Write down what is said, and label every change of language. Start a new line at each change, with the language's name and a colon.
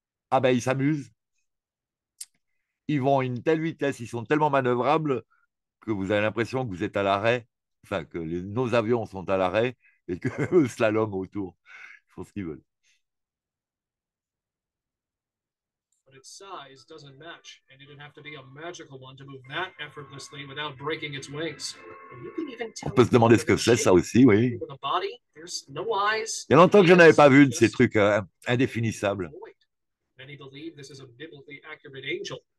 French: Ah ben, ils s'amusent. Ils vont à une telle vitesse, ils sont tellement manœuvrables que vous avez l'impression que vous êtes à l'arrêt. Enfin, que nos avions sont à l'arrêt et que slalom autour. Ils font ce qu'ils veulent.
English: But its size doesn't match, and it'd have to be a magical one to move that effortlessly without breaking its wings.
French: On peut se demander ce que c'est, ça aussi, oui.
English: The body, there's no eyes.
French: Il y a longtemps que je n'avais pas vu de ces trucs indéfinissables.
English: Many believe this is a biblically accurate angel.